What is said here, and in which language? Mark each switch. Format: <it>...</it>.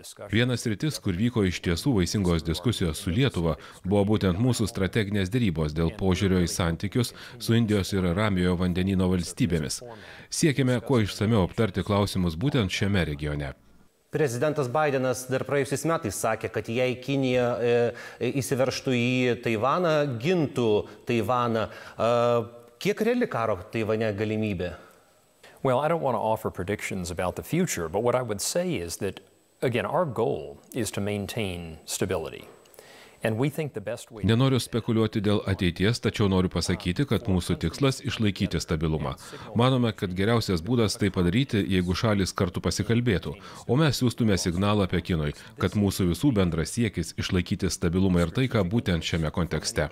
<lt>Vienas rytis, kur vyko iš tiesų vaisingos diskusijos su Lietuva, buvo būtent mūsų strateginės dėrybos dėl požiūrio į santykius su Indijos ir Ramiojo vandenyno valstybėmis. Siekime kuo išsamiau aptarti klausimus būtent šiame regione. Prezidentas Bidenas dar praėjusiais metais sakė, kad jei Kinija įsiverštų į Taivaną, gintų Taivaną. Kiek reali karo Taivane galimybė?</lt> <en>Well, I don't want to offer predictions about the future, but what I would say is that again, our goal is to maintain stability. And we think the best way.</en> <lt>Nenoriu spekuliuoti dėl ateities, tačiau noriu pasakyti, kad mūsų tikslas išlaikyti stabilumą. Manome, kad geriausias būdas tai padaryti, jeigu šalis kartu pasikalbėtų, o mes siūstume signalą Pekinui, kad mūsų visų bendras siekis išlaikyti stabilumą ir taiką būtent šiame kontekste.</lt>